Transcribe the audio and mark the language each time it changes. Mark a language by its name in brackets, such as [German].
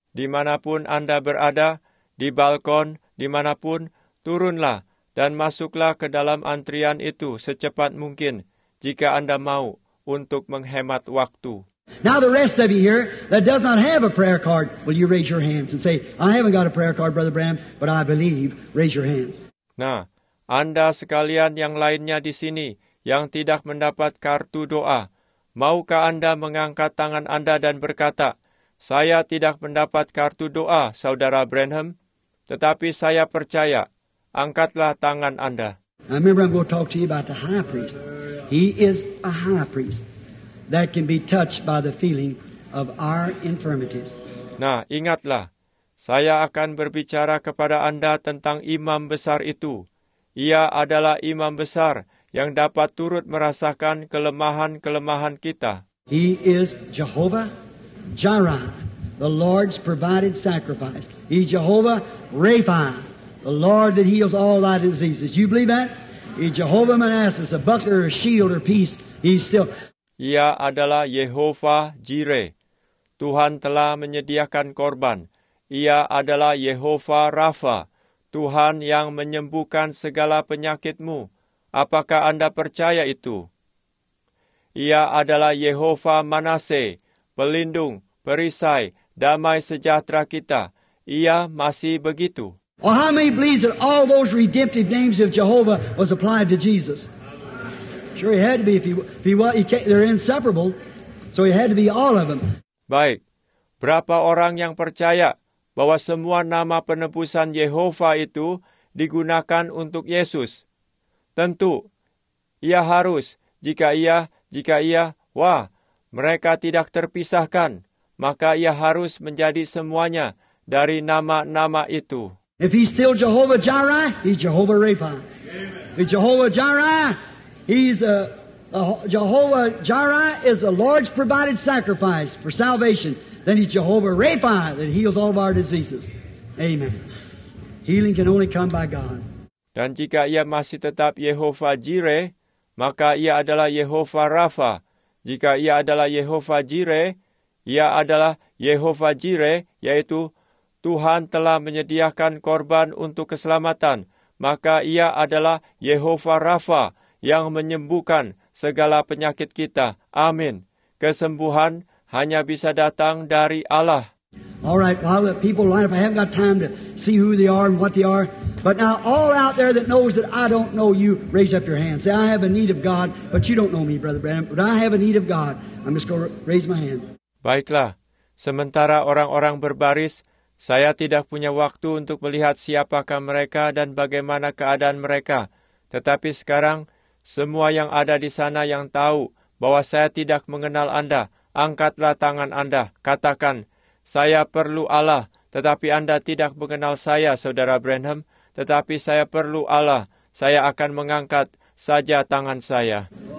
[Indonesian] Dimanapun Anda berada, di balkon, dimanapun, turunlah. Dan masuklah ke dalam antrian itu secepat mungkin jika Anda mau untuk menghemat waktu. [English] Now the rest of you here that does not have a prayer card, will you raise your hands and say, I haven't got a prayer card, Brother Branham, but I believe, raise your hands. [Indonesian] Nah, Anda sekalian yang lainnya di sini yang tidak mendapat kartu doa, maukah Anda mengangkat tangan Anda dan berkata, saya tidak mendapat kartu doa, Saudara Branham, tetapi saya percaya. Angkatlah tangan Anda. [English] I remember I'm going to talk to you about the high priest. He is a high priest that can be touched by the feeling of our infirmities. [Indonesian] Nah, ingatlah. Saya akan berbicara kepada Anda tentang imam besar itu Ia adalah imam besar yang dapat turut merasakan kelemahan-kelemahan kita. [English] He is Jehovah Jireh, the Lord's provided sacrifice. He's Jehovah Rapha, the Lord that heals all thy diseases. You believe that? He's Jehovah Manasseh, a buckler, a shield, or peace. He's still. [Indonesian] Ia adalah Yehovah Jireh. Tuhan telah menyediakan korban. Ia adalah Yehovah Rapha, Tuhan yang menyembuhkan segala penyakitmu. Apakah Anda percaya itu? Ia adalah Yehovah Manasseh, pelindung, perisai, damai sejahtera kita. Ia masih begitu. [English] Well, how many believes that all those redemptive names of Jehovah was applied to Jesus? Sure, he had to be. They're inseparable, so he had to be all of them. [Indonesian] Baik. Berapa orang yang percaya bahwa semua nama penebusan Yehovah itu digunakan untuk Yesus? Tentu. Ia harus. Jika ia, wah, mereka tidak terpisahkan, maka ia harus menjadi semuanya dari nama-nama itu. [English] If he's still Jehovah Jireh, he's Jehovah Rapha. If he's Jehovah Jireh, he's Jehovah Jireh is the Lord's provided sacrifice for salvation. Then he's Jehovah Rapha that heals all of our diseases. Amen. Healing can only come by God. [Indonesian] Dan jika ia masih tetap Yehovah Jireh, maka ia adalah Yehovah Rapha. Jika ia adalah Yehovah Jireh, ia adalah Yehovah Jireh, yaitu Tuhan telah menyediakan korban untuk keselamatan. Maka ia adalah Yehovah Rapha yang menyembuhkan segala penyakit kita. Amin. Kesembuhan hanya bisa datang dari Allah. [English] All right, well, I'll let people line up. I haven't got time to see who they are and what they are. But now, all out there that knows that I don't know you, raise up your hand. Say, I have a need of God, but you don't know me, Brother Branham. But I have a need of God. I'm just going to raise my hand. [Indonesian] Baiklah. Sementara orang-orang berbaris, saya tidak punya waktu untuk melihat siapakah mereka dan bagaimana keadaan mereka. Tetapi sekarang, semua yang ada di sana yang tahu bahwa saya tidak mengenal Anda, angkatlah tangan Anda, katakan, saya perlu Allah, tetapi Anda tidak mengenal saya, Saudara Branham, tetapi saya perlu Allah, saya akan mengangkat saja tangan saya.